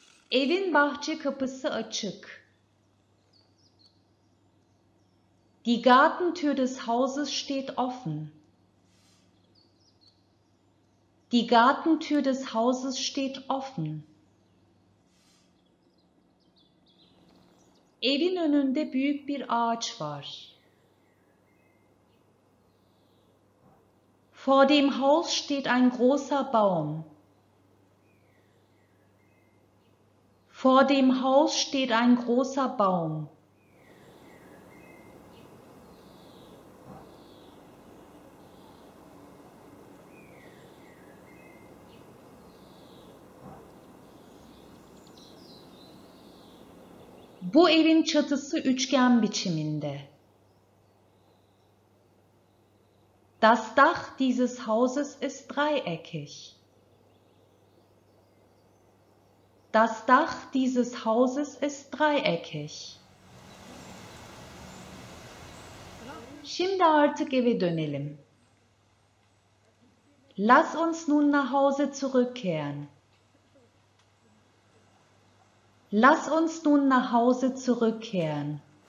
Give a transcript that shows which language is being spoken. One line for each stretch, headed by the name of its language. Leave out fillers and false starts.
Turkish: Evin bahçe kapısı açık.
German: Die Gartentür des Hauses steht offen. Die Gartentür des Hauses steht offen.
Turkish: Evin önünde büyük bir ağaç var.
German: Vor dem Haus steht ein großer Baum. Vor dem Haus steht ein großer Baum.
Turkish: Bu evin çatısı üçgen biçiminde.
German: Das Dach dieses Hauses ist dreieckig. Das Dach dieses Hauses ist dreieckig.
Turkish: Şimdi artık eve dönelim.
German: Lass uns nun nach Hause zurückkehren. Lass uns nun nach Hause zurückkehren.